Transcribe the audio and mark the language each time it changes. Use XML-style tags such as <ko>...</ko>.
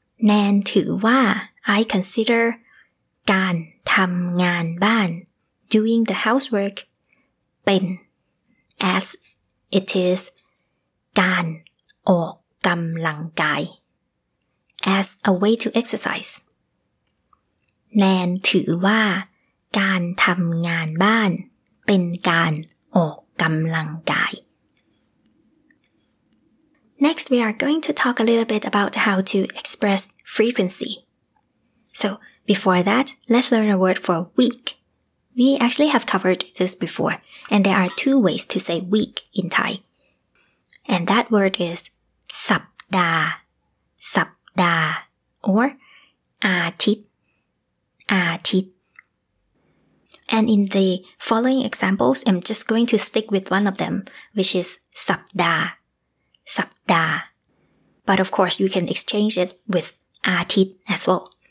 <en>Nan ถือว่า I consider การทำงานบ้าน doing the housework เป็น as it is การออกกำลังกาย as a way to exercise.</en> <th>Nan ถือว่าการทำงานบ้านเป็นการออกกำลังกาย</th> <en>Next, we are going to talk a little bit about how to express frequency. So, before that, let's learn a word for week. We actually have covered this before, and there are two ways to say week in Thai. And that word is สัปดาห์ สัปดาห์ or อาทิตย์ อาทิตย์ And in the following examples, I'm just going to stick with one of them, which is สัปดาห์ สัปดาห์ But of course, you can exchange it with อาทิตย์ as well.</en>